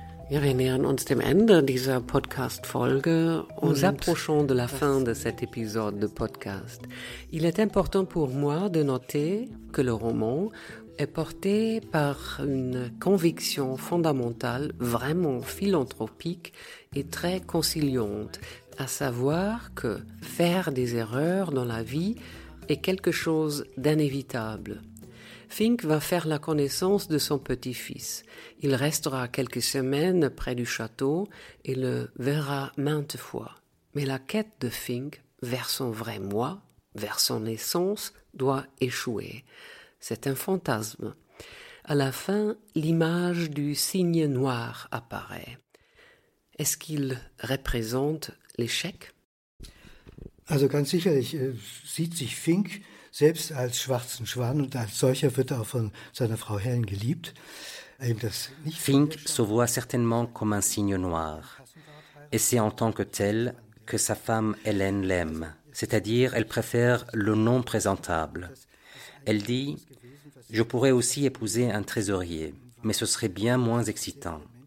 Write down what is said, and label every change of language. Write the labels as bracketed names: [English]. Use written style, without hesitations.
[German] Ja, wir nähern uns dem Ende dieser Podcast-Folge. [French] Nous approchons de la fin de cet épisode de podcast. Il est important pour moi de noter que le roman est porté par une conviction fondamentale, vraiment philanthropique et très conciliante, à savoir que faire des erreurs dans la vie est quelque chose d'inévitable. Fink va faire la connaissance de son petit-fils. Il restera quelques semaines près du château et le verra maintes fois. Mais la quête de Fink vers son vrai moi, vers son essence, doit échouer. C'est un fantasme. À la fin, l'image du cygne noir apparaît. Est-ce qu'il représente l'échec ? [German] Also ganz sicherlich sieht sich Fink selbst als schwarzen Schwan und als solcher wird er auch von seiner Frau Helen geliebt. [French] Fink se voit certainement comme un cygne noir. Et c'est en tant que tel que sa femme Helen l'aime. C'est-à-dire, elle préfère le non présentable. Elle dit, je pourrais aussi épouser un trésorier, mais ce serait bien moins excitant.